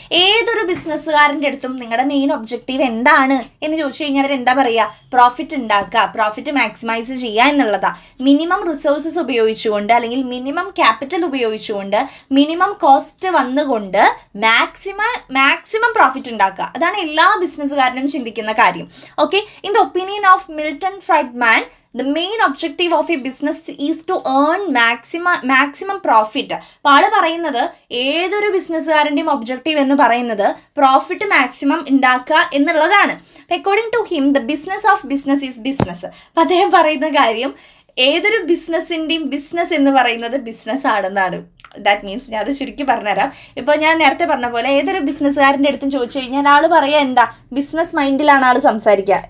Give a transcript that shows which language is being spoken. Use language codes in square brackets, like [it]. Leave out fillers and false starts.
[ml] ഏതൊരു ബിസിനസ്സുകാരൻ്റെ അടുത്തും നിങ്ങളുടെ മെയിൻ ഒബ്ജക്റ്റീവ് എന്താണ് എന്ന് ചോദിച്ചു കഴിഞ്ഞാൽ അവർ എന്താ പറയുക, പ്രോഫിറ്റ് ഉണ്ടാക്കുക, പ്രോഫിറ്റ് മാക്സിമൈസ് ചെയ്യുക എന്നുള്ളതാണ്. മിനിമം റിസോഴ്സസ് ഉപയോഗിച്ചുകൊണ്ട് അല്ലെങ്കിൽ മിനിമം ക്യാപിറ്റൽ ഉപയോഗിച്ചുകൊണ്ട് മിനിമം കോസ്റ്റ് വന്നുകൊണ്ട് മാക്സിമം പ്രോഫിറ്റ് ഉണ്ടാക്കുക, അതാണ് എല്ലാ ബിസിനസ്സുകാരനും ചിന്തിക്കുന്ന കാര്യം. [en] Okay, in the opinion of Milton Friedman, the main objective of a business is to earn maximum profit. [ml] പാള് പറയുന്നത് ഏതൊരു ബിസിനസ്സുകാരൻ്റെയും ഒബ്ജക്റ്റീവ് എന്ന് പറയുന്നത് പ്രോഫിറ്റ് മാക്സിമം ഉണ്ടാക്കുക എന്നുള്ളതാണ്. [en] According to him the business of business is business. [ml] അപ്പം അദ്ദേഹം പറയുന്ന കാര്യം ഏതൊരു ബിസിനസ്സിൻ്റെയും ബിസിനസ് എന്ന് പറയുന്നത് ബിസിനസ് ആണെന്നാണ്. [en] that means [ml] ഞാൻ അത് ചുരുക്കി പറഞ്ഞുതരാം. ഇപ്പോൾ ഞാൻ നേരത്തെ പറഞ്ഞ പോലെ ഏതൊരു ബിസിനസ്സുകാരൻ്റെ അടുത്തും ചോദിച്ചു കഴിഞ്ഞാൽ ആൾ പറയുക എന്താ, ബിസിനസ് മൈൻഡിലാണ് ആൾ സംസാരിക്കുക.